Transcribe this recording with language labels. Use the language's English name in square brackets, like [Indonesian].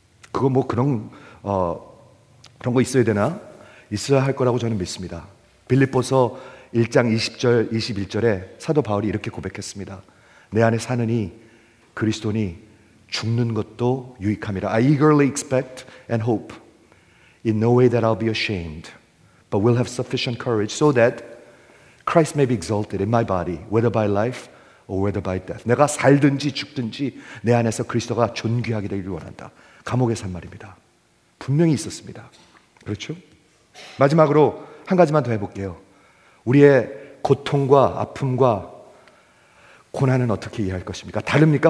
[Korean] 그거 뭐 그런 거 있어야 되나? 있어야 할 거라고 저는 믿습니다. 빌립보서 1장 20절, 21절에 사도 바울이 이렇게 고백했습니다. 내 안에 사느니 그리스도니 죽는 것도 유익함이라. [English] I eagerly expect and hope in no way that I'll be ashamed, but will have sufficient courage so that Christ may be exalted in my body, whether by life or whether by death. [Korean] 내가 살든지 죽든지 내 안에서 그리스도가 존귀하게 되기를 원한다. 감옥에서 한 말입니다. 분명히 있었습니다. 그렇죠? 마지막으로 한 가지만 더 해볼게요. 우리의 고통과 아픔과 고난은 어떻게 이해할 것입니까? 다릅니까?